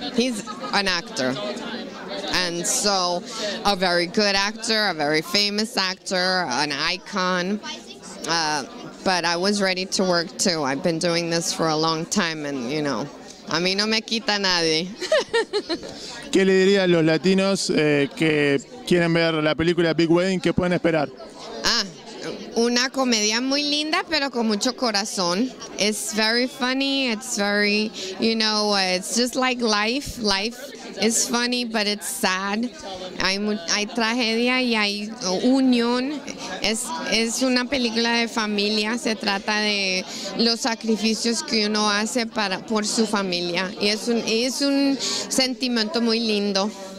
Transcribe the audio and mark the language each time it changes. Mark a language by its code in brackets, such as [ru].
[en] He's an actor. And so a very good actor, a very famous actor, an icon. But I was ready to work too. I've been doing this for a long time, and you know, [es] a mí no me quita nadie. ¿Qué le diría a los latinos que quieren ver la película Big Wedding? ¿Qué pueden esperar? Ah, una comedia muy linda, pero con mucho corazón. [en] It's very funny. It's very, you know, it's just like life. Life is funny, but it's sad. [es] Hay tragedia y hay unión. Es una película de familia. Se trata de los sacrificios que uno hace por su familia. Y es un sentimiento muy lindo.